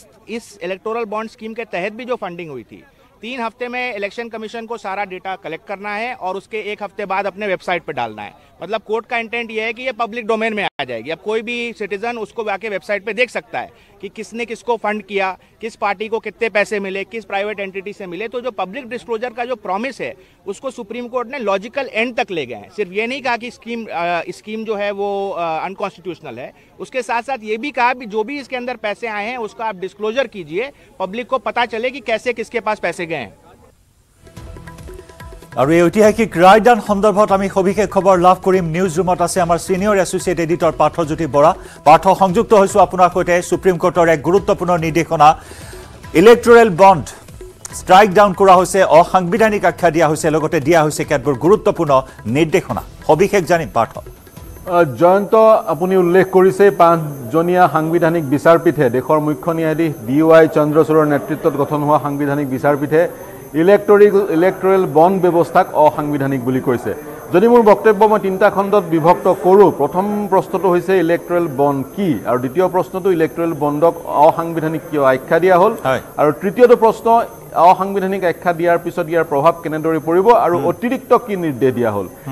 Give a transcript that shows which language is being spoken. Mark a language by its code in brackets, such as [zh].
[hi] Electoral bond scheme के तहत भी जो फंडिंग हुई थी 3 हफ्ते में इलेक्शन कमीशन को सारा डेटा कलेक्ट करना है और उसके 1 हफ्ते बाद अपने वेबसाइट पर डालना है मतलब कोर्ट का इंटेंट यह है कि ये पब्लिक डोमेन में आ जाएगी अब कोई भी सिटीजन उसको आके वेबसाइट पर देख सकता है कि किसने किसको फंड किया किस पार्टी को कितने पैसे मिले किस प्राइवेट एंटिटी से मिले तो जो पब्लिक डिस्क्लोजर का जो प्रॉमिस है उसको सुप्रीम कोर्ट ने लॉजिकल एंड तक ले गए हैं सिर्फ ये नहीं कहा कि स्कीम जो है वो अनकॉन्स्टिट्यूशनल है उसके साथ साथ ये भी कहा कि जो भी इसके अंदर पैसे आए हैं उसका आप डिस्क्लोजर कीजिए पब्लिक को पता चले कि कैसे किसके पास पैसे गए हैं [as] আৰু এই ঐতিহাসিক ৰায়দান সন্দৰ্ভত আমি সবিশেষ খবৰ লাভ কৰিম নিউজ ৰুমত আছে আমাৰ senior associate editor Parthajyoti Bora Partha সংযুক্ত হৈছোঁ আপোনাৰ সৈতে সুপ্ৰিম কোৰ্টৰ এক গুৰুত্বপূৰ্ণ নিৰ্দেশনা ইলেক্টৰেল বণ্ড স্ট্রাইক ডাউন করা হয়েছে, অসাংবিধানিক আখ্যা দিয়া হয়েছে, লগতে দিয়া হয়েছে কেতবোৰ গুরুত্বপূর্ণ নির্দেশনা। সবিশেষ জানিম পাঠ। জয়ন্ত, আপুনি উল্লেখ কৰিছে পাঁচজনীয়া সাংবিধানিক বিচাৰপীঠে, দেশৰ মুখ্য ন্যায়াধীশ ডি ৱাই চন্দ্ৰচূড়ৰ নেতৃত্বত গঠন হোৱা সাংবিধানিক বিচাৰপীঠে ইলেক্টৰেল বণ্ড ব্যৱস্থাক অসাংবিধানিক বুলি কৈছে। যদি মোৰ বক্তব্য মই তিনিটা খণ্ডত বিভক্ত কৰোঁ, প্ৰথম প্ৰশ্নটো হৈছে ইলেক্টৰেল বণ্ড কি, আৰু দ্বিতীয় প্ৰশ্নটো ইলেক্টৰেল বণ্ডক অসাংবিধানিক কিয় আখ্যা দিয়া হ'ল, আৰু তৃতীয়টো প্ৰশ্ন অসাংবিধানিক আখ্যা দিয়াৰ পিছত ইয়াৰ প্ৰভাৱ কেনেদৰে পৰিব আৰু অতিৰিক্ত কি নিৰ্দেশ দিয়া হ'ল।